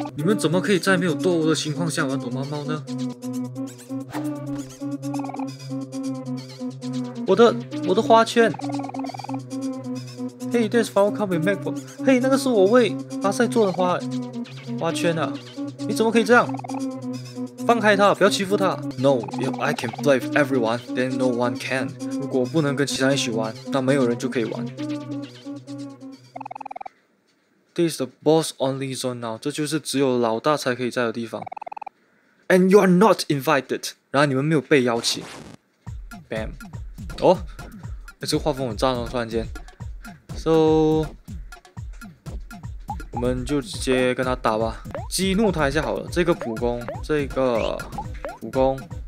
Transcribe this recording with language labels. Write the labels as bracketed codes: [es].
[zh] 你们怎么可以在没有斗殴的情况下玩躲猫猫呢？我的花圈。 [en] Hey, this flower can be made for. [zh] Hey, 那个是我为巴塞做的花花圈啊！你怎么可以这样？放开他，不要欺负他。 [en] No, if I can play with everyone, then no one can. [zh] 如果不能跟其他人一起玩，那没有人就可以玩。 [en] This is the boss only zone now. [zh] 这就是只有老大才可以在的地方。 [en] And you are not invited. [zh] 然后你们没有被邀请。 [en] Bam. [zh] 哦，哎，这个画风很赞哦，突然间。So， 我们就直接跟他打吧。激怒他一下好了，这个普攻，这个普攻，